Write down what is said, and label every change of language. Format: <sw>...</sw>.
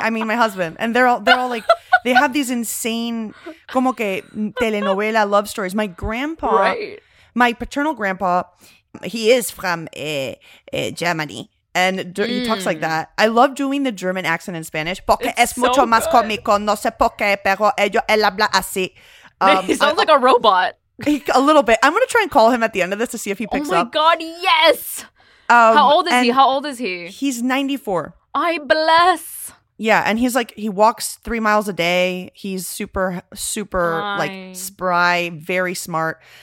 <en>I mean, my husband. And they're all like, they have these insane,</en> <es>como que telenovela</es> <en>love stories. My grandpa, right. My paternal grandpa, he is from Germany. And he talks like that. I love doing the German accent in Spanish.</en> <es>Porque</es> <en>it's</en> <es>es mucho</es> <en>so</en> <es>más cómico. No sé por qué, pero él habla así.</es> <en>He sounds like a robot. A little bit. I'm going to try and call him at the end of this to see if he picks up. Oh my God, yes. How old is he? He's 94. I bless. Yeah, and he's like, he walks 3 miles a day. He's super, super like spry, very smart.</en>